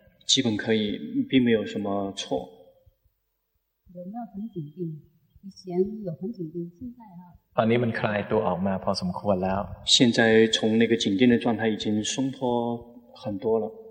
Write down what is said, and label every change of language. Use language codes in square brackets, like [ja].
[zh] 基本可以，并没有什么错。有没有很紧盯？以前有很紧盯，现在哈。 [th] ตอนนี้มันคลายตัวออกมาพอสมควรแล้ว。 [zh] 现在从那个紧盯的状态已经松脱很多了。